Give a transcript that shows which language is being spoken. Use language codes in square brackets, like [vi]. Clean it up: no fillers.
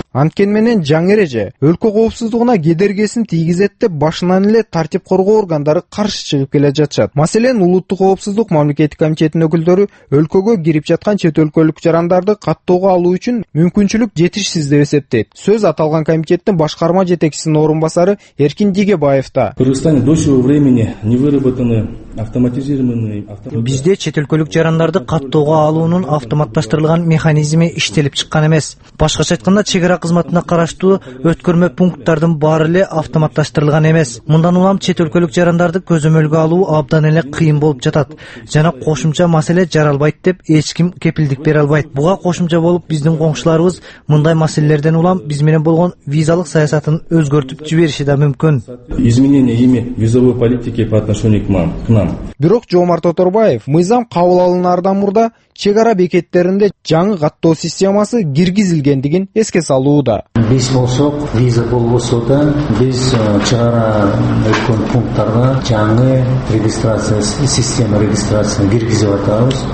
[ky] Анткени менен жаңы эреже өлкө коопсуздугуна кедергесин тийгизет деп башынан эле тартип коргоо органдары каршы чыгып келе жатышат. Маселен, улуттук коопсуздук мамлекеттик комитетинин өкүлдөрү өлкөгө кирип жаткан чет өлкөлүк жарандарды каттоого алуу үчүн мүмкүнчүлүк жетишсиз деп эсептейт. Сөз аталган комитеттин башкарма жетекчисинин орун басары Эркин Дегебаевда. [ru] Кыргызстан до сего времени не выработаны автоматизированные. [ky] Бизде чет өлкөлүк жарандарды каттоого алуунун автоматташтырылган механизми иштелет. келип чыккан эмес. Башкача айтканда, чек ара кызматына караштуу өткөрмө пункттардын баары эле автоматташтырылган эмес. Мындан улам чет өлкөлүк жарандарды көзөмөлгө алуу абдан эле кыйын болуп жатат жана кошумча маселе жаралбайт деп эч ким кепилдик бере албайт. Буга кошумча болуп биздин коңшуларыбыз мындай маселелерден улам биз менен болгон визалык саясатын өзгөртүп жибериши да мүмкүн. [ru] Изменение ими визовой политики по отношению к нам. [ky] Бирок Жомарт Оторбаев мыйзам кабыл алынардан мурда чек ара бекеттеринде жаңы каттоо системасы киргизилгендигин эске салууда. Биз болсок, виза болбосо да, биз чек ара өткөн пункттарга жаңы регистрация система регистрациясын киргизип атабыз.